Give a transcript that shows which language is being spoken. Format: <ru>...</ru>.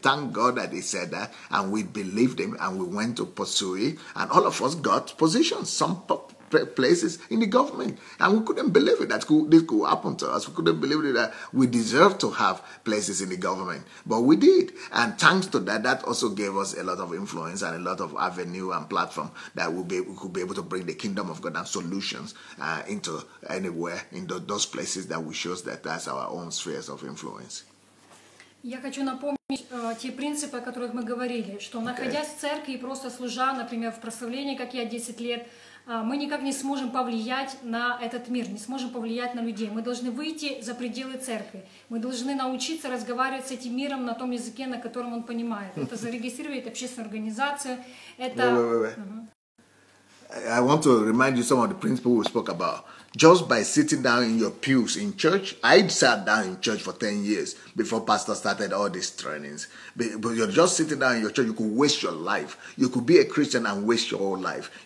<en>Thank God that he said that, and we believed him, and we went to pursue it, and all of us got positions, some places in the government, and we couldn't believe it that this could happen to us. We couldn't believe it that we deserve to have places in the government, but we did. And thanks to that, that also gave us a lot of influence and a lot of avenue and platform that we could be able to bring the kingdom of God and solutions into anywhere in those places that we chose that that's our own spheres of influence.</en> <ru>Я хочу напомнить те принципы, о которых мы говорили, что находясь в церкви и просто служа, например, в прославлении, как я 10 лет, мы никак не сможем повлиять на этот мир, не сможем повлиять на людей. Мы должны выйти за пределы церкви. Мы должны научиться разговаривать с этим миром на том языке, на котором он понимает. Это зарегистрировать общественную организацию. Это...</ru> <en>I want to remind you some of the principles we spoke about. Just by sitting down in your pews in church, I sat down in church for 10 years before Pastor started all these trainings. But you're just sitting down in your church, you could waste your life. You could be a Christian and waste your whole life.</en>